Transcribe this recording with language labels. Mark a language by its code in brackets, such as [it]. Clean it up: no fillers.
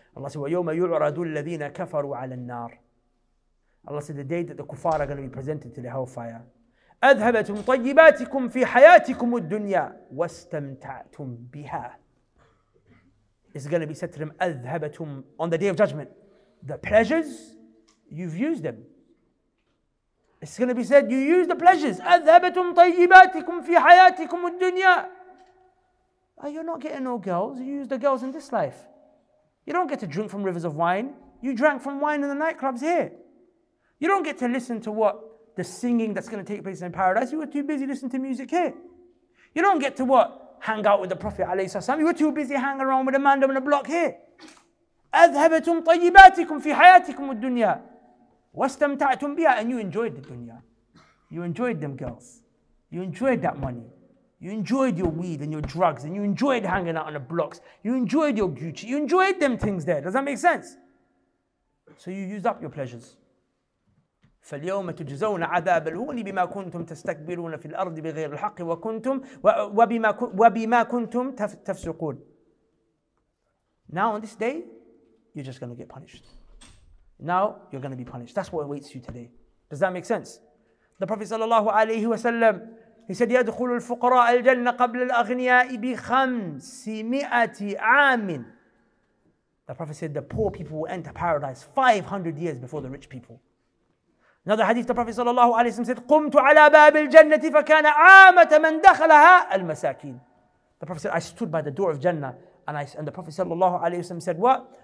[en] Allah said, [ar] وَيَوْمَ يُعْرَدُ الَّذِينَ كَفَرُوا عَلَى النَّارِ. [en] Allah said, the day that the kuffar are going to be presented to the hellfire, [ar] أذهبتم طيباتكم في حياتكم الدنيا واستمتعتم بها. [en] It's going to be said to them, أذهبتم, on the day of judgment, the pleasures, you've used them. It's going to be said, you use the pleasures. [ar] أذهبتم طيباتكم في حياتكم الدنيا. [en] Oh, you're not getting no girls. You use the girls in this life. You don't get to drink from rivers of wine. You drank from wine in the nightclubs here. You don't get to listen to what? The singing that's going to take place in paradise. You were too busy listening to music here. You don't get to what? Hang out with the Prophet alayhi salam. You were too busy hanging around with a man on the block here. [ar] أذهبتم طيباتكم في حياتكم الدنيا واستمتعتم بها. [en] And you enjoyed the dunya. You enjoyed them girls. You enjoyed that money. You enjoyed your weed and your drugs. And you enjoyed hanging out on the blocks. You enjoyed your Gucci. You enjoyed them things there. Does that make sense? So you used up your pleasures. [ar] فاليوم تجزون عذاب الهون بما كنتم تستكبرون في الأرض بغير الحق وكنتم وبما كنتم تفسقون. [en] Now on this day, you're just going to get punished. Now you're going to be punished. That's what awaits you today. Does that make sense? [ar] The Prophet صلى الله عليه وسلم, [en] he said, [ar] يدخل الفقراء الجنة قبل الأغنياء بخمسمائة عام. [en] The Prophet said, the poor people will enter paradise 500 years before the rich people. Another hadith, the Prophet sallallahu alayhi wa sallam said, [ar] قُمْتُ عَلَى بَابِ الْجَنَّةِ فَكَانَ عَامَةَ مَنْ دَخَلَهَا الْمَسَاكِينَ. [en] The Prophet said, I stood by the door of Jannah, and the Prophet sallallahu alayhi wa sallam said what?